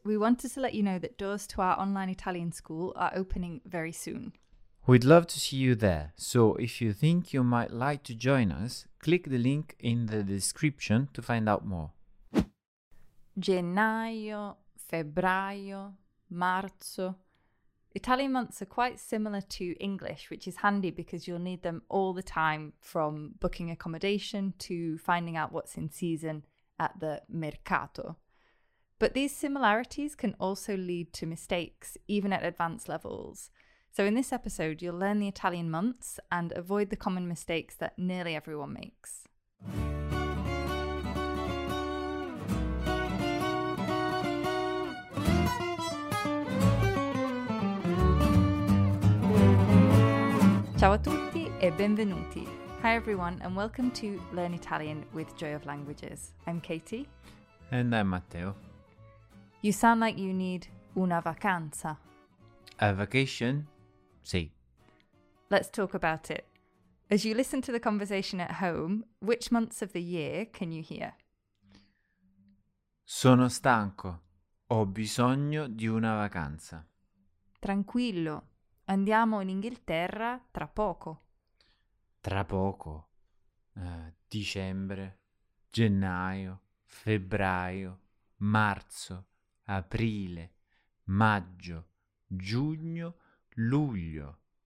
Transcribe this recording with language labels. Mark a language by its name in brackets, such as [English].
[English] We wanted to let you know that doors to our online Italian school are opening very soon. We'd love to see you there. So if you think you might like to join us, click the link in the description to find out more. [Italian] Gennaio, febbraio, marzo. [English] Italian months are quite similar to English, which is handy because you'll need them all the time, from booking accommodation to finding out what's in season at the mercato. But these similarities can also lead to mistakes, even at advanced levels. So in this episode, you'll learn the Italian months and avoid the common mistakes that nearly everyone makes. [Italian] Ciao a tutti e benvenuti. [English] Hi everyone and welcome to Learn Italian with Joy of Languages. I'm Katie. And I'm Matteo. You sound like you need [Italian] una vacanza. [English] A vacation? Sì. Let's talk about it. As you listen to the conversation at home, which months of the year can you hear? [Italian] Sono stanco. Ho bisogno di una vacanza. Tranquillo. Andiamo in Inghilterra tra poco. Tra poco. Dicembre, gennaio, febbraio, marzo, aprile, maggio, giugno, luglio.